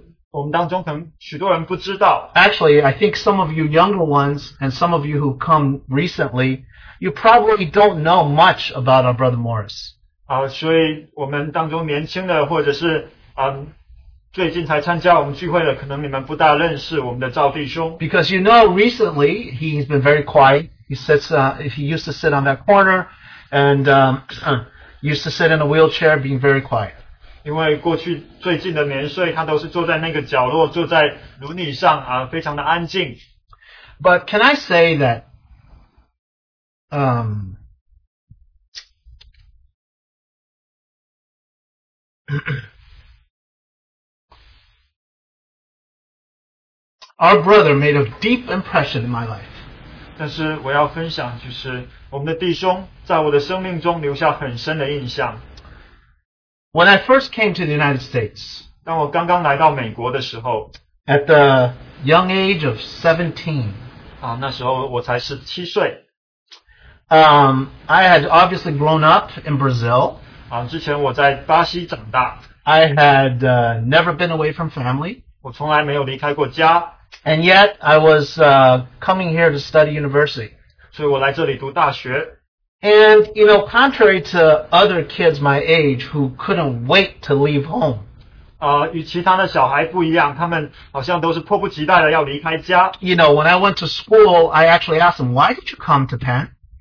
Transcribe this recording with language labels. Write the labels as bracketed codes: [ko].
[zh] 我们当中可能许多人不知道。 [en] Actually, I think some of you younger ones and some of you who come recently, you probably don't know much about our brother Morris. [zh] 所以我们当中年轻的或者是 [en] Because you know, recently he's been very quiet. He sits. He used to sit on that corner, and used to sit in a wheelchair, being very quiet. [zh] 因为过去最近的年岁，他都是坐在那个角落，坐在轮椅上， 非常的安静。 [en] But can I say that? Our brother made a deep impression in my life. [zh] 但是我要分享就是我们的弟兄在我的生命中留下很深的印象。 [en] When I first came to the United States, [zh] 当我刚刚来到美国的时候, [en] at the young age of 17, [zh] 那时候我才17岁, [en] I had obviously grown up in Brazil. [zh] 之前我在巴西长大, [en] I had never been away from family. [zh] 我从来没有离开过家。 [en] And yet, I was coming here to study university. [zh] 所以我来这里读大学。 [en] And, you know, contrary to other kids my age who couldn't wait to leave home. [zh] 与其他的小孩不一样,他们好像都是迫不及待的要离开家。 [en] You know, when I went to school, I actually asked them, why did you come to Penn?